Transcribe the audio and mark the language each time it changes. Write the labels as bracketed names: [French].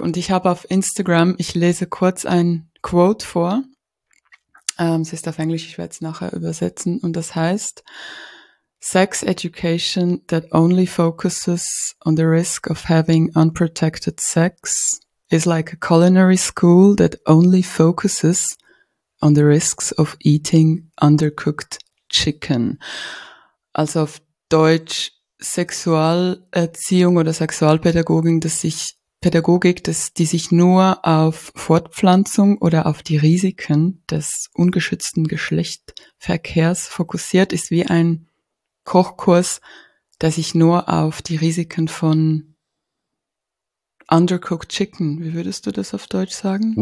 [German] Und ich habe auf Instagram, ich lese kurz ein Quote vor. Es ist auf Englisch, ich werde es nachher übersetzen. [English] Und das heißt: Sex education that only focuses on the risk of having unprotected sex is like a culinary school that only focuses on the risks of eating undercooked chicken. [German] Also auf Deutsch, Sexualerziehung oder Sexualpädagogik, die sich nur auf Fortpflanzung oder auf die Risiken des ungeschützten Geschlechtsverkehrs fokussiert, ist wie ein Kochkurs, der sich nur auf die Risiken von undercooked chicken, wie würdest du das auf Deutsch sagen?